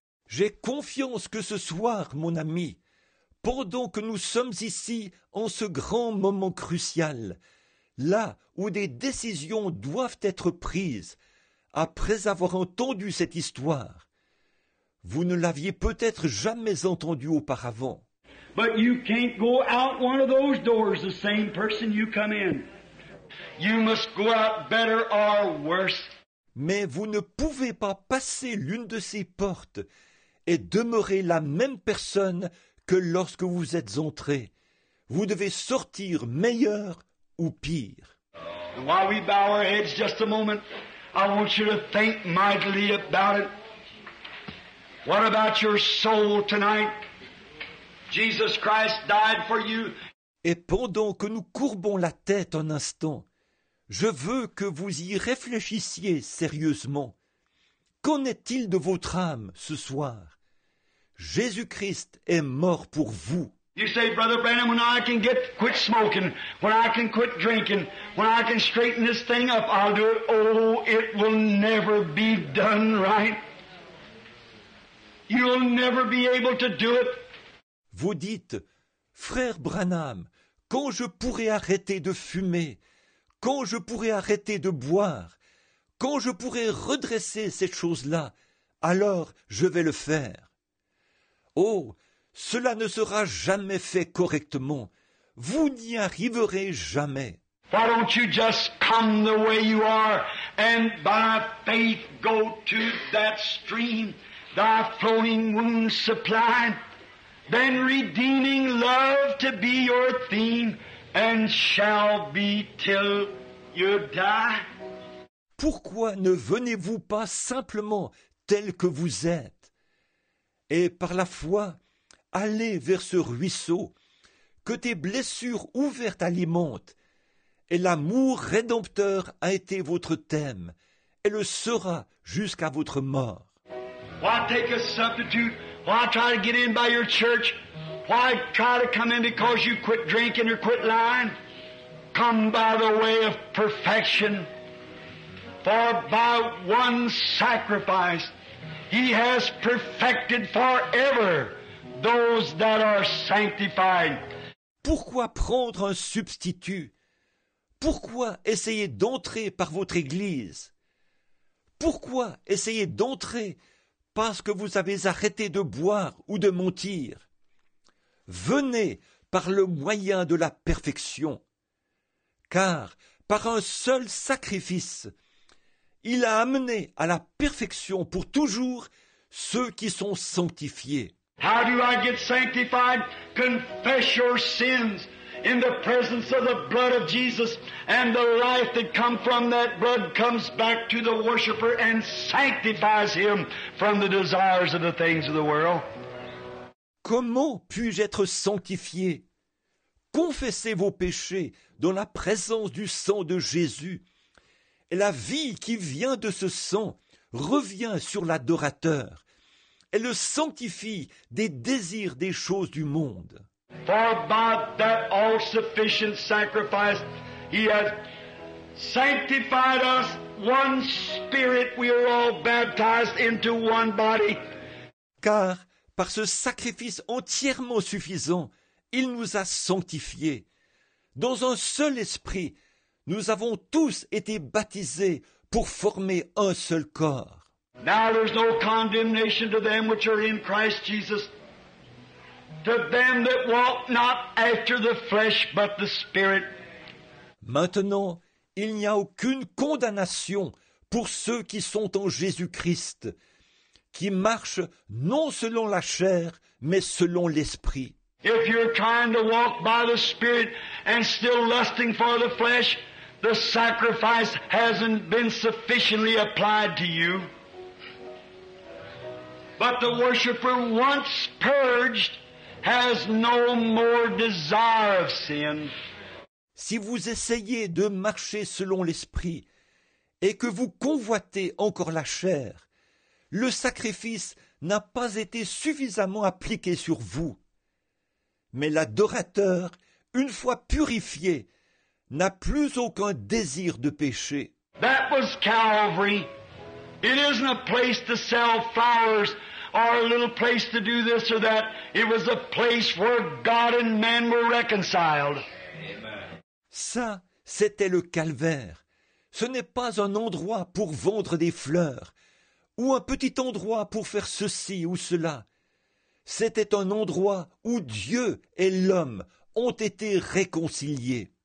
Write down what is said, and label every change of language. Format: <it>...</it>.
<fr>J'ai confiance que ce soir, mon ami, pendant que nous sommes ici en ce grand moment crucial, là où des décisions doivent être prises, après avoir entendu cette histoire, vous ne l'aviez peut-être jamais entendue auparavant.</fr> <en>But you can't go out one of those doors the same person you come in. You must go out better or worse.</en> <fr>Mais vous ne pouvez pas passer l'une de ces portes et demeurer la même personne que lorsque vous êtes entré. Vous devez sortir meilleur ou pire.</fr> <en>And while we bow our heads just a moment, I want you to think mightily about it. What about your soul tonight? Jesus Christ died for you.</en> <fr>Et pendant que nous courbons la tête un instant, je veux que vous y réfléchissiez sérieusement. Qu'en est-il de votre âme ce soir? Jésus-Christ est mort pour vous.</fr> <en>You say, Brother Branham, when I can get quit smoking, when I can quit drinking, when I can straighten this thing up, I'll do it. Oh, it will never be done right. You'll never be able to do it.</en> <fr>Vous dites, frère Branham, quand je pourrai arrêter de fumer, quand je pourrai arrêter de boire, quand je pourrai redresser cette chose-là, alors je vais le faire. Oh, cela ne sera jamais fait correctement. Vous n'y arriverez jamais.</fr> <en>Why don't you just come the way you are and by faith go to that stream, thy flowing wounds supplied? Then redeeming love to be your theme and shall be till you die.</en> <fr>Pourquoi ne venez-vous pas simplement tel que vous êtes? et par la foi, aller vers ce ruisseau que tes blessures ouvertes alimentent. Et l'amour rédempteur a été votre thème et le sera jusqu'à votre mort.</fr> <en>Why take a substitute? Why try to get in by your church? Why try to come in because you quit drinking or quit lying? Come by the way of perfection. For by one sacrifice he has perfected forever those that are sanctified.</en> <fr>Pourquoi prendre un substitut? Pourquoi essayer d'entrer par votre église? Pourquoi essayer d'entrer parce que vous avez arrêté de boire ou de mentir? Venez par le moyen de la perfection, car par un seul sacrifice, il a amené à la perfection pour toujours ceux qui sont sanctifiés.</fr> <en>How do I get sanctified? Confess your sins in the presence of the blood of Jesus, and the life that comes from that blood comes back to the worshiper and sanctifies him from the desires of the things of the world.</en> <fr>Comment puis-je être sanctifié? Confessez vos péchés dans la présence du sang de Jésus. Et la vie qui vient de ce sang revient sur l'adorateur. Elle le sanctifie des désirs des choses du monde.</fr> <en>For by that all-sufficient sacrifice he has sanctified us, one spirit we are all baptized into one body.</en> <fr>Car par ce sacrifice entièrement suffisant, il nous a sanctifiés. Dans un seul esprit, nous avons tous été baptisés pour former un seul corps.</fr> <en>Now there's no condemnation to them which are in Christ Jesus, to them that walk not after the flesh but the Spirit.</en> <fr>Maintenant, il n'y a aucune condamnation pour ceux qui sont en Jésus-Christ, qui marchent non selon la chair, mais selon l'Esprit.</fr> <en>If you're trying to walk by the Spirit and still lusting for the flesh, the sacrifice hasn't been sufficiently applied to you. But the worshiper, once purged, has no more desire of sin.</en> <fr>Si vous essayez de marcher selon l'Esprit et que vous convoitez encore la chair, le sacrifice n'a pas été suffisamment appliqué sur vous. Mais l'adorateur, une fois purifié, n'a plus aucun désir de péché.</fr> <en>That was Calvary. It isn't a place to sell flowers or a little place to do this or that. It was a place where God and man were reconciled.</en> <fr>Ça, c'était le calvaire. Ce n'est pas un endroit pour vendre des fleurs ou un petit endroit pour faire ceci ou cela. C'était un endroit où Dieu et l'homme ont été réconciliés.</fr>